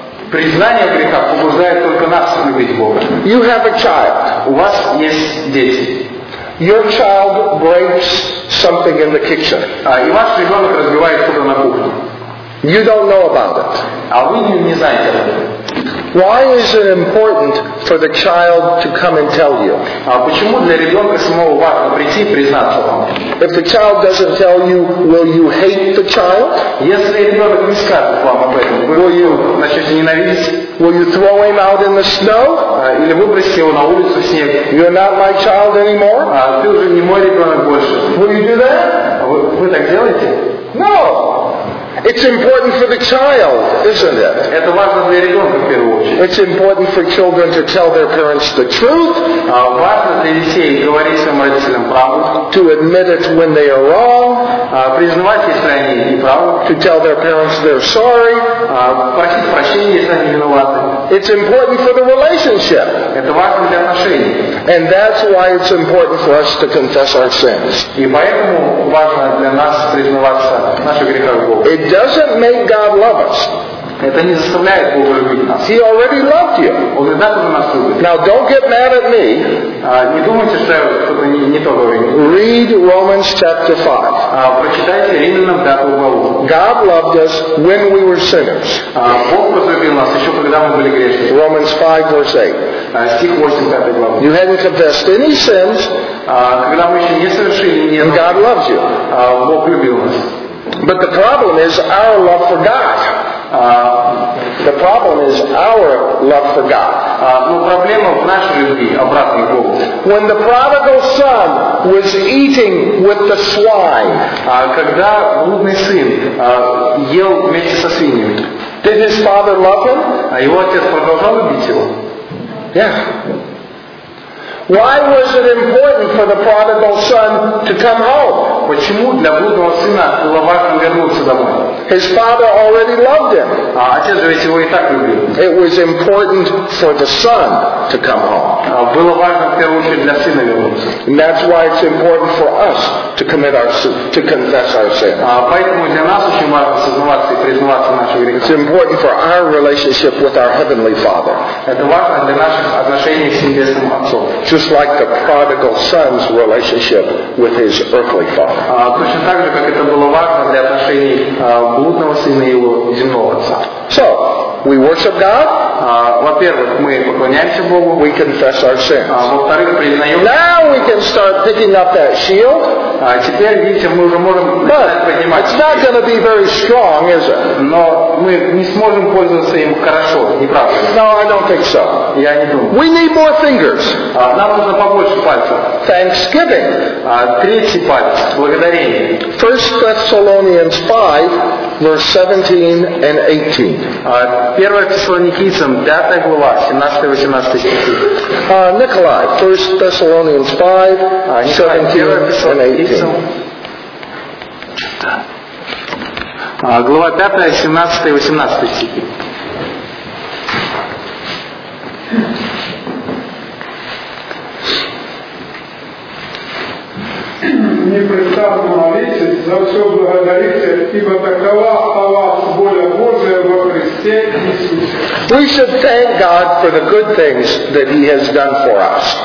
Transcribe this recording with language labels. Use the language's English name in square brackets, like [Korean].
[Russian] Признание греха побуждает только нас любить Бога. [English] You have a child. [Russian] У вас есть дети. [English] Your child breaks something in the kitchen. [Russian] И ваш ребенок разбивает что-то на кухне. [English] You don't know about it. [Russian] А вы не знаете об этом. [English] Why is it important for the child to come and tell you? [Russian] Почему для ребенка самого важно прийти и признаться вам? [English] If the child doesn't tell you, will you hate the child? [Russian] Если ребенок не скажет вам об этом, [English] will you [Russian] начать ненавидеть? [English] Will you throw him out in the snow? [Russian] Или выбросить его на улицу в снег? [English] You are not my child anymore. [Russian] Ты уже не мой ребенок больше. [English] Will you do that? [Russian] Вы так делаете? [English] No. It's important for the child, isn't it? [Russian] Это важно для ребенка в первую очередь. [English] It's important for children to tell their parents the truth. [Russian] Важно для детей говорить своим родителям правду. [English] To admit it when they are wrong. [Russian] Признавать, если они не правы. [English] To tell their parents they're sorry. [Russian] Просить прощения, если они виноваты. [English] It's important for the relationship. [Russian] Это важно для отношений. [English] And that's why it's important for us to confess our sins. [Russian] И поэтому важно для нас признаваться наши грехи Богу. [English] It doesn't make God love us. [Russian] Это не заставляет Бога любить нас. [English] He already loved you. [Russian] Он и так уже нас любит. [English] Now don't get mad at me. [Russian] Не думайте, что я что-то не то говорю. [English] Read Romans chapter 5. [Russian] Прочитайте Римлянам 5 главу. [English] God loved us when we were sinners. [Russian] Бог возлюбил нас еще когда мы были грешники. [English] Romans 5 verse 8. [Russian] Стих 8, 5 главу. [English] You hadn't confessed any sins. [Russian] Когда мы еще не совершили ни. [English] And God loves you. [Russian] Бог любил нас. [English] But the problem is our love for God. The problem is our love for God. [Russian] Но проблема в нашей любви обратной к Богу. [English] When the prodigal son was eating with the swine, [Russian] когда блудный сын ел вместе со свиньями, [English] did his father love him? [Russian] Его отец продолжал любить его. [English] Yeah. Why was it important for the prodigal son to come home? [Russian] Почему для блудного сына было важно вернуться домой? [English] His father already loved him. [Russian] Отец ведь его и так любил. [English] It was important for the son to come home. [Russian] Было важно в первую очередь для сына вернуться. [English] And that's why it's important for us to commit our to confess our sin. [Russian] Поэтому для нас очень важно сознаваться и признаваться наши грехи. [English] It's important for our relationship with our heavenly Father. [Russian] Это важно для наших отношений с небесным Отцом. [English] Just like the prodigal son's relationship with his earthly father. [Russian] Точно так же, как это было важно для отношений блудного сына и его земного отца. [English] So, we worship God. [Russian] Во-первых, мы поклоняемся Богу. [English] We confess our sins. [Russian] Во-вторых, признаем. [English] Now we can start picking up that shield. [Russian] Теперь, видите, мы уже можем поднимать. [English] It's not going to be very strong, is it? [Russian] Но мы не сможем пользоваться им хорошо, не правда? [English] No, I don't think so. [Russian] Я не думаю. [English] We need more fingers. [Russian] Нам нужно побольше пальцев. [English] Thanksgiving. [Russian] Третий палец. Благодарение. [English] 1 Thessalonians 5, verse 17 and 18. [Russian] 1 Thessalonians 5, 17-18 стихи. [English] Николай, 1 Thessalonians 5, 17 and 18. [Russian] Глава 5, 17-18 стихи. Непрестанно молитесь, за все благодарите, ибо такова о вас воля Божия во Христе Иисусе. [English] We should thank God for the good things that He has done for us.